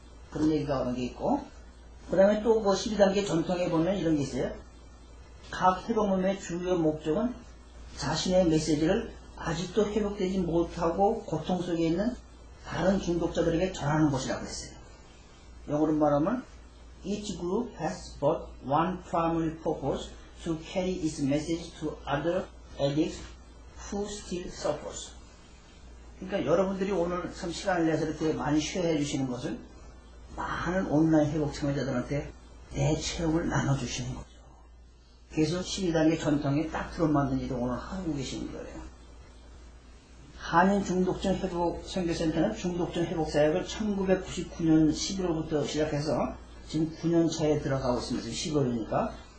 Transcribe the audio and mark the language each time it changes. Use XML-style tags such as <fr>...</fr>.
<ko>그런 얘기가 그런 게 있고 그 다음에 또 그 12단계 전통에 보면 이런 게 있어요. 각 회복몸의 주요 목적은 자신의 메시지를 아직도 회복되지 못하고 고통 속에 있는 다른 중독자들에게 전하는 것이라고 했어요. 영어로 말하면</ko> <en>Each group has but one primary purpose to carry its message to other addicts who still suffers.</en> <ko>그러니까 여러분들이 오늘 참 시간을 내서 이렇게 많이 쉐어해 주시는 것은 많은 온라인 회복 참여자들한테 내 체험을 나눠주시는 것. 그래서 12단계 전통에 딱 들어맞는 일을 오늘 하고 계시는 거예요. 한인중독증회복선교센터는 중독증회복사역을 1999년 11월부터 시작해서 지금 9년 차에 들어가고 있습니다. 지금 15일이니까.</ko>